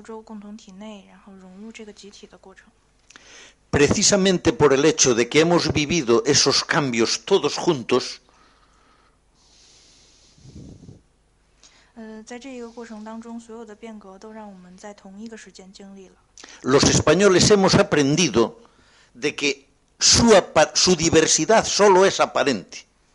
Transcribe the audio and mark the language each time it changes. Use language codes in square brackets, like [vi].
[zh] 同时在西班牙经历着一个欧盟之外，或者说欧洲共同体之外的一个国家，向一个欧洲共同体内，然后融入这个集体的过程。 [es] Precisamente por el hecho de que hemos vivido esos cambios todos juntos, [zh] 在这一个过程当中，所有的变革都让我们在同一个时间经历了。 [es] Los españoles hemos aprendido de que su diversidad solo es aparente.